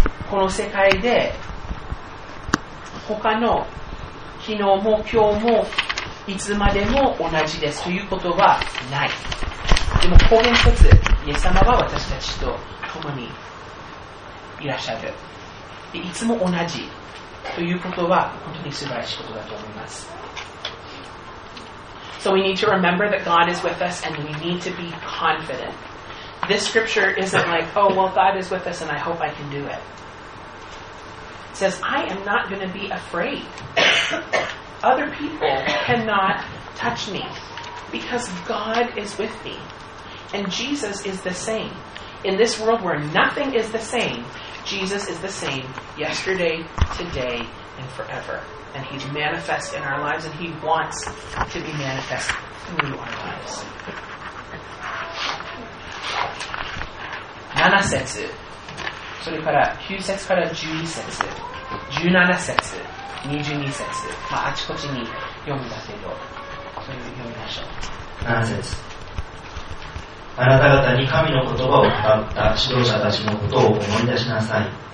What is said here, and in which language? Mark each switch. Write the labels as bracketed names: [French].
[Japanese] この世界で他の昨日も今日もいつまでも同じですということはない。でも方言説、イエス様は私たちと共にいらっしゃる、でいつも同じということは本当に素晴らしいことだと思います。 [English] So we need to remember that God is with us and we need to be confident. This scripture isn't like, oh well, God is with us and I hope I can do itsays, I am not going to be afraid. Other people cannot touch me because God is with me. And Jesus is the same. In this world where nothing is the same, Jesus is the same yesterday, today, and forever. And he's manifest in our lives and he wants to be manifest through our lives. [Japanese] 7節、それから9節から12節、17節、22節、まあ、あちこちに読むんだけど、それを読みましょう。 7節、あなた方に神の言葉を語った指導者たちのことを思い出しなさい。